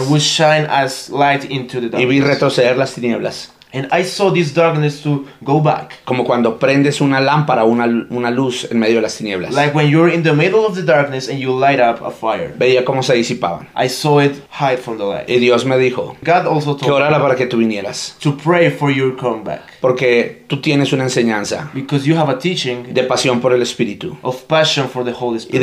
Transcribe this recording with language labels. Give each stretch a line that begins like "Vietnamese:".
English: And would shine as light into the darkness.
Spanish: Y vi retroceder las tinieblas.
English: And I saw this darkness to go back.
Spanish: Como cuando prendes una lámpara, una luz en medio de las tinieblas.
English: Like when you're in the middle of the darkness and you light up a fire.
Spanish: Veía cómo se disipaban.
English: I saw it hide from the light.
Spanish: Y Dios me dijo.
English: God also told
Spanish: me. Que orara para que tú vinieras.
English: To pray for your comeback.
Spanish: Porque tú tienes una enseñanza.
English: Because you have a teaching.
Spanish: De pasión por el Espíritu.
English: Of passion for the Holy Spirit.